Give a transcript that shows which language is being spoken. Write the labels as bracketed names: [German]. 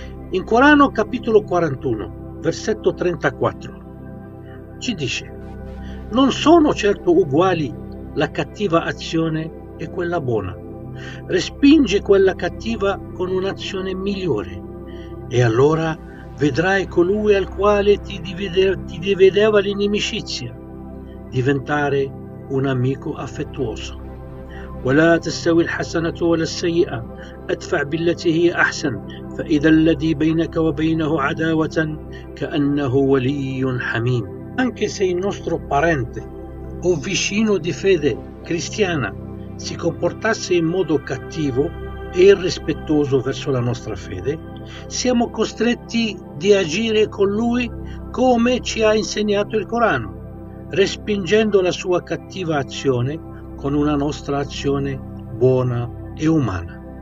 [Italian] In Corano capitolo 41, versetto 34, ci dice: non sono certo uguali la cattiva azione e quella buona. Respinge quella cattiva con un'azione migliore, e allora vedrai colui al quale ti divideva l'inimicizia diventare un amico affettuoso. [Arabic] ولا تستوي الحسنة ولا السيئة ادفع بالتي هي أحسن فإذا الذي بينك وبينه عداوة كأنه ولي حميم. [Italian] Anche se il nostro parente o vicino di fede cristiana si comportasse in modo cattivo e irrispettoso verso la nostra fede, siamo costretti di agire con lui come ci ha insegnato il Corano, respingendo la sua cattiva azione con una nostra azione buona e umana.